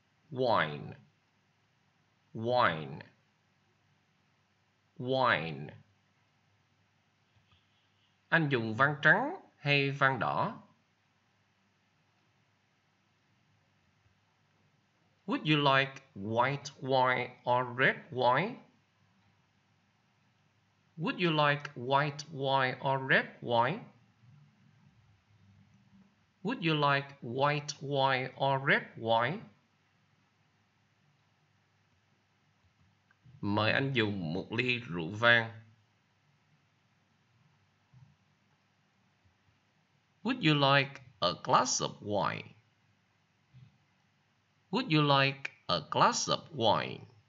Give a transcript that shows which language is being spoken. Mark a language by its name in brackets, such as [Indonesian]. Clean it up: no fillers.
[English] Wine. Wine. Wine. [Vietnamese] Anh dùng vang trắng hay vang đỏ? [English] Would you like white wine or red wine? Would you like white wine or red wine? Would you like white wine or red wine? [Vietnamese] Mời anh dùng một ly rượu vang. [English] Would you like a glass of wine? Would you like a glass of wine?